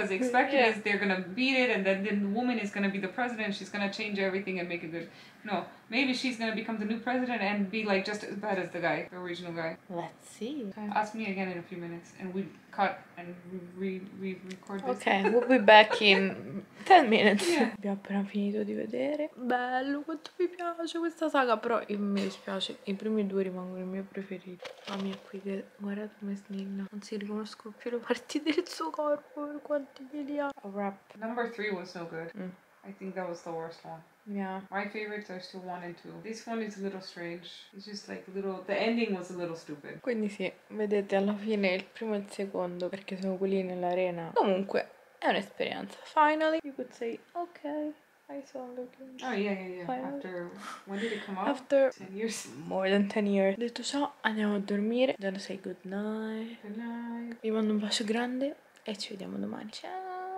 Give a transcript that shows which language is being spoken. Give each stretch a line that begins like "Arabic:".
English: Because expected yeah. is they're gonna beat it and then the woman is gonna be the president. She's gonna change everything and make it good. No, maybe she's gonna become the new president and be like just as bad as the guy, the original guy. Let's see. Okay. Ask me again in a few minutes and we cut and re-record this. Okay, we'll be back in 10 minutes. Yeah.
Italian: Abbiamo appena finito di vedere. Bello, quanto mi piace questa saga, però mi dispiace, i primi due rimangono i miei preferiti. Mamma mia, qui che guarda come snigna. Non si riconoscono più le parti del suo corpo, per quanti li ha.
English: A wrap. Number 3 was no good. I think that was the worst one. Yeah. My favorites are still 1 and 2. This one is a little strange. It's just like little. The ending was a little stupid.
Italian: Quindi sì, vedete alla fine il primo e il secondo perché sono quelli nell'arena. Comunque, è un'esperienza.
English: Finally, you could say, okay, I saw the game. Oh, yeah. Finally. After, when did it come out? After 10 years. More than 10 years.
Italian: Detto ciò, andiamo a dormire. Gonna say good night.
English: Good night.
Italian: Vi mando un bacio grande e ci vediamo domani. Ciao.